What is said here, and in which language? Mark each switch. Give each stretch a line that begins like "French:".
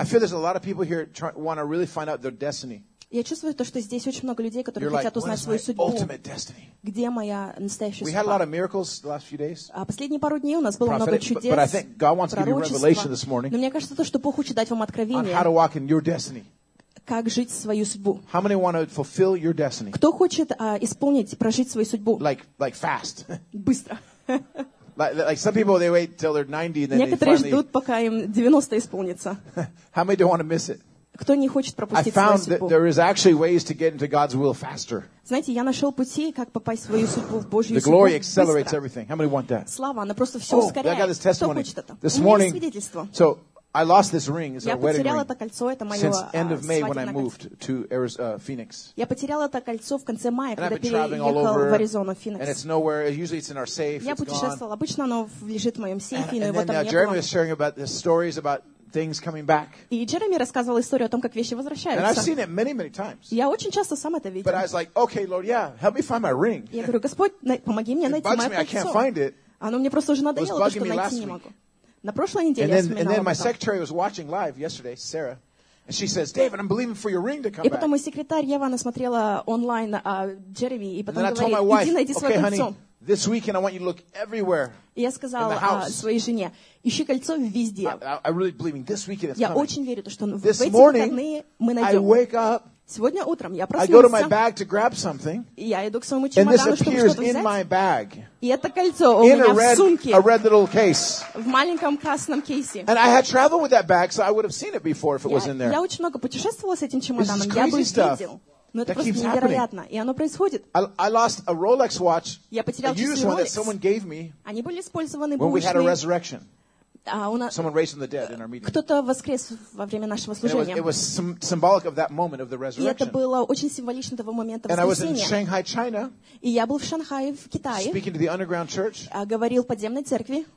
English: I feel there's a lot of people here want to really find out their destiny.
Russian: Я чувствую то, что здесь очень много людей, которые хотят узнать свою судьбу.
English: Ultimate destiny.
Russian: Где моя настоящая судьба?
English: We had a lot of miracles the last few days.
Russian: А последние пару дней у нас было много чудес.
English: But I think God wants to give you revelation this morning.
Russian: Но мне кажется то, что Бог хочет дать вам откровение.
English: On how to walk in your destiny.
Russian: Как жить свою судьбу?
English: How many want to fulfill your destiny?
Russian: Кто хочет исполнить, прожить свою судьбу?
English: Like fast.
Russian: Быстро.
English: Like some people, they wait till they're 90 and then
Russian: некоторые
English: they finally...
Russian: ждут, пока им 90 исполнится.
English: How many don't want to miss it?
Russian: Кто не хочет пропустить свою судьбу?
English: I found that there is actually ways to get into God's will faster.
Russian: Знаете, я нашел пути, как попасть в свою судьбу, в Божью судьбу.
English: The glory accelerates
Russian: быстро.
English: Everything. How many want that?
Russian: Слава, она просто все ускоряет.
English: I got this testimony.
Russian: Кто хочет это?
English: This morning,
Russian: свидетельство.
English: So I lost this ring. It's
Russian: я
English: our wedding
Russian: потеряла это кольцо, это мое
English: since end of May when
Russian: кольцо.
English: I moved to Phoenix.
Russian: Я потеряла это кольцо в конце мая, когда переехал в Аризону, в Феникс.
English: And it's nowhere. Usually it's in our safe.
Russian: Я путешествовала. Обычно оно лежит в моем сейфе, но его там нет.
English: Jeremy was sharing about the stories about things coming back.
Russian: И Джереми рассказывал историю о том, как вещи возвращаются.
English: And I've seen it many, many times.
Russian: Я очень часто сам это видел.
English: But I was like, okay, Lord, yeah, help me find my ring.
Russian: Я говорю, Господь, помоги мне найти мое кольцо.
English: I can't find it.
Russian: Оно мне просто уже надоело, то, что найти не могу. На прошлой неделе
English: and then,
Russian: я вспоминала.
English: And then my secretary was watching live yesterday, Sarah, and she says, "David, I'm believing for your ring to come back."
Russian: И потом мой секретарь Ева смотрела онлайн Джереми и потом
English: and
Russian: говорит,
English: wife,
Russian: "Иди найди свое
English: okay,
Russian: кольцо."
English: Honey, this weekend I want you to look everywhere.
Russian: Я сказала своей жене, ищи кольцо везде.
English: I'm really believing this weekend it's
Russian: я
English: coming.
Russian: Я очень верю, что
English: this
Russian: в эти выходные мы найдем.
English: I wake up.
Russian: Сегодня утром я проснулся.
English: I go to my bag to grab something.
Russian: Я иду к своему чемодану, чтобы что-то взять.
English: And this appears in my bag.
Russian: И это кольцо у меня в сумке.
English: A red little case.
Russian: В маленьком красном кейсе.
English: And I had traveled with that bag, so I would have seen it before if it was in there.
Russian: Я очень много путешествовала с этим чемоданом. Я бы видел. Но это просто невероятно. И оно происходит.
English: I lost a Rolex watch.
Russian: Я потерял часы Rolex.
English: A used one that someone gave me.
Russian: Они были использованы.
English: When we had a resurrection. Someone raised from the dead in our meeting.
Russian: Кто-то воскрес во время нашего служения.
English: And it was symbolic of that moment of the resurrection.
Russian: И это было очень символично того момента воскресения.
English: And I was in Shanghai, China.
Russian: И я был в Шанхае, в Китае.
English: Speaking to the underground church.
Russian: Говорил подземной церкви.